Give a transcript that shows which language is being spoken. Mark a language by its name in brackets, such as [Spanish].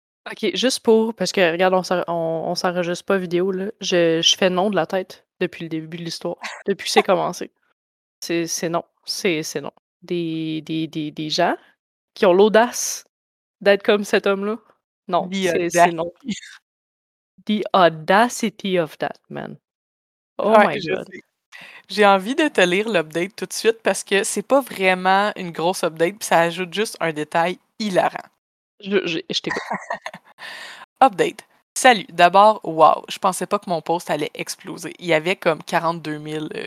[French] Ok, juste pour, parce que regarde, on s'enregistre pas vidéo, là. Je fais non de la tête depuis le début de l'histoire, depuis que c'est commencé. C'est non, c'est non. Des gens qui ont l'audace d'être comme cet homme-là. Non, c'est non. [English] The audacity of that man. Oh ouais, my God. [French] J'ai envie de te lire l'update tout de suite parce que c'est pas vraiment une grosse update, puis ça ajoute juste un détail hilarant. Je t'écoute. Update. Salut. D'abord, wow, je pensais pas que mon post allait exploser. Il y avait comme 42 000...